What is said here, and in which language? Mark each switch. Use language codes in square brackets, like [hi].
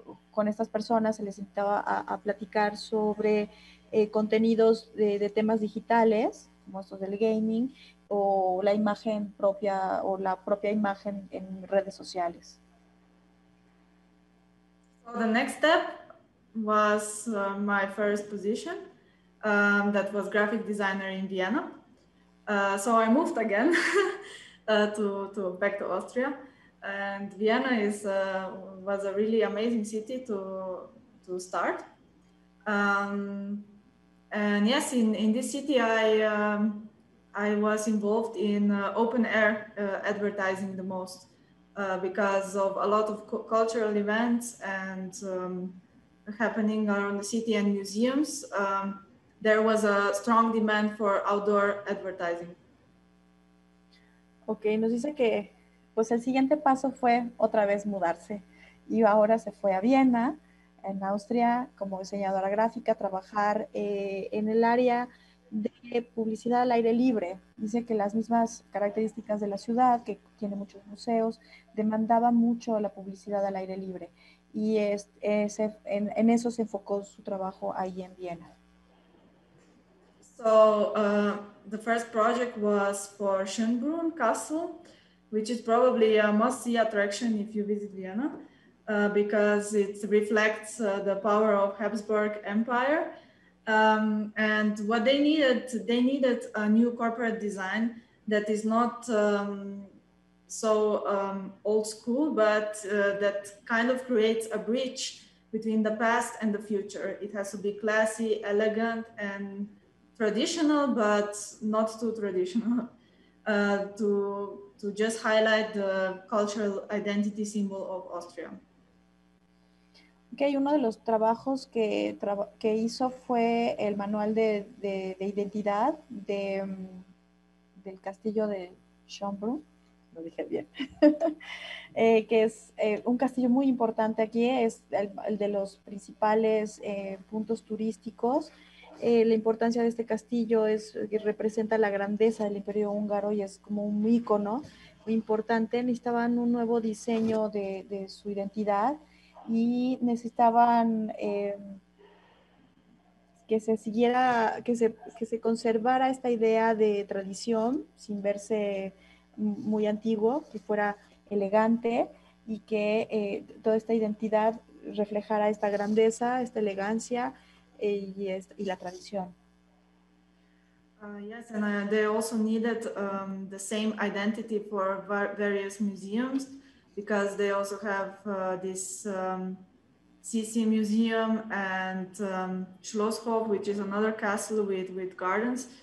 [es] con estas personas se les invitaba a platicar sobre contenidos de temas digitales como estos del gaming o la imagen propia o la propia imagen en redes sociales. [en] So the next step was my first position, that was graphic designer in Vienna. So I moved again to back to Austria, and Vienna was a really amazing city to start. And yes, in this city I was involved in open air advertising the most because of a lot of cultural events and happening around the city and museums. There was a strong demand for outdoor advertising. [es] Okay, nos dice que pues el siguiente paso fue otra vez mudarse y ahora se fue a Viena, en Austria, como diseñadora gráfica, trabajar en el área de publicidad al aire libre. Dice que las mismas características de la ciudad, que tiene muchos museos, demandaba mucho la publicidad al aire libre. Y en eso se enfocó su trabajo ahí en Viena. [en] So, the first project was for Schönbrunn Castle, which is probably a must-see attraction if you visit Vienna, because it reflects the power of Habsburg Empire. And what they needed a new corporate design that is not so old school, but that kind of creates a bridge between the past and the future. It has to be classy, elegant, and traditional, but not too traditional, to just highlight the cultural identity symbol of Austria. [es] Okay, uno de los trabajos que hizo fue el manual de identidad del castillo de Schönbrunn, lo dije bien, que es un castillo muy importante aquí, es el de los principales puntos turísticos. La importancia de este castillo es que representa la grandeza del Imperio Húngaro y es como un ícono muy importante. Necesitaban un nuevo diseño de su identidad y necesitaban que se siguiera, que se conservara esta idea de tradición sin verse muy antiguo, que fuera elegante y que toda esta identidad reflejara esta grandeza, esta elegancia y la tradición. [en] Yes, and they also needed the same identity for various museums, because they also have this CC Museum and Schlosshof, which is another castle with gardens.